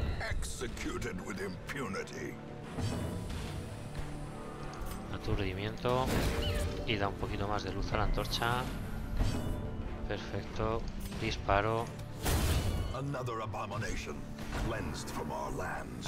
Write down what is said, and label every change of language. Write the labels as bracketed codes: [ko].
[en] Executed with impunity. [es] Aturdimiento. Y da un poquito más de luz a la antorcha. Perfecto. Disparo. [en] Another abomination cleansed from our lands.